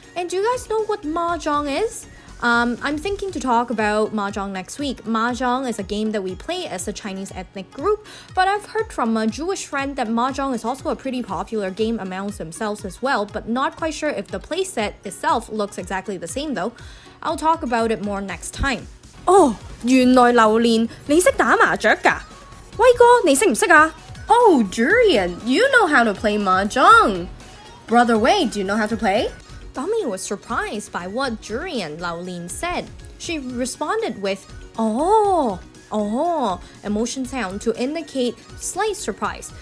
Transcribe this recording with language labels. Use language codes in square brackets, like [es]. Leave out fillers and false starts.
[en] And do you guys know what mahjong is? I'm thinking to talk about mahjong next week. Mahjong is a game that we play as a Chinese ethnic group, but I've heard from a Jewish friend that mahjong is also a pretty popular game amongst themselves as well, but not quite sure if the playset itself looks exactly the same though. I'll talk about it more next time. [yue] Oh, 原来榴莲你识打麻雀噶？威哥你识唔识啊？ [en] Oh, Durian, you know how to play mahjong. Brother Wei, do you know how to play? Dummy was surprised by what Durian Lao Lin said. She responded with, oh, emotion sound to indicate slight surprise.